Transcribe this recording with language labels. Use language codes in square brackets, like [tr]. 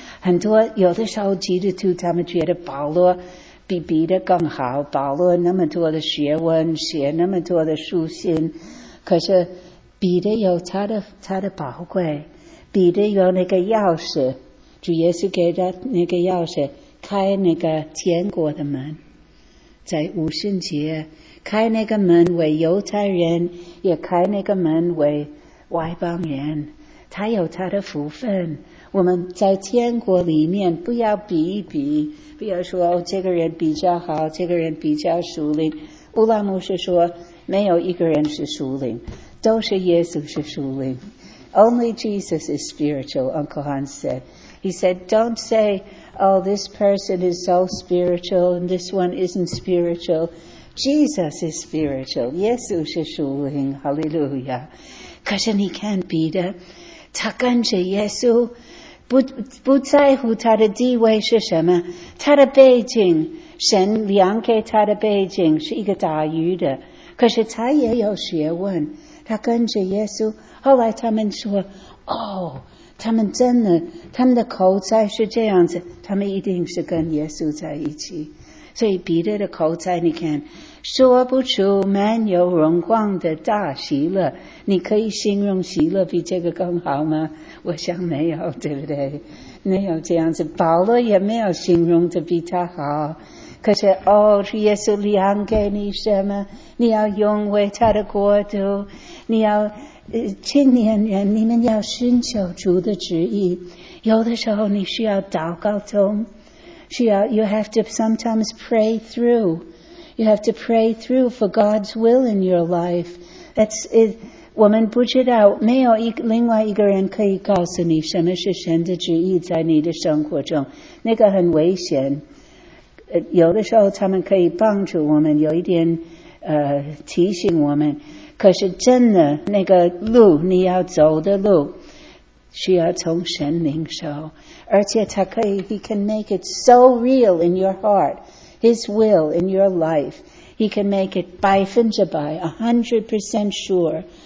[zh] 很多有的时候基督徒他们觉得保罗比彼得更好，保罗那么多的学问，写那么多的书信，可是彼得有他的宝贵，彼得有那个钥匙，主耶稣给他那个钥匙，开那个天国的门，在五旬节开那个门为犹太人，也开那个门为外邦人，他有他的福分。我们在天国里面不要比一比，不要说、哦、这个人比较好，这个人比较属灵。乌拉姆是说没有一个人是属灵，都是耶稣是属灵。 [en] Only Jesus is spiritual, Uncle Hans said. He said, don't say, oh, this person is so spiritual and this one isn't spiritual. Jesus is spiritual. [zh] 耶稣是属灵。 [en] Hallelujah. [zh] 可是你看彼得，他跟着耶稣 不在乎他的地位是什么，他的背景，神量给他的背景是一个打鱼的，可是他也有学问，他跟着耶稣。后来他们说，哦，他们真的，他们的口才是这样子，他们一定是跟耶稣在一起。所以彼得的口才，你看，说不出满有荣光的大喜乐。你可以形容喜乐比这个更好吗？我想没有，对不对？没有这样子。保罗也没有形容的比他好。可是哦，耶稣量给你什么，你要用为他的国度，你要青年人，你们要寻求主的旨意。有的时候你需要祷告通，需要 [en] you have to sometimes pray through, you have to pray through for God's will in your life. That's it. [zh] 我们不知道，没有另外一个人可以告诉你什么是神的旨意在你的生活中，那个很危险。有的时候他们可以帮助我们，有一点提醒我们，可是真的那个路，你要走的路需要从神领受，而且他可以 [en] He can make it so real in your heart, His will in your life, He can make it 100%, 100% sure.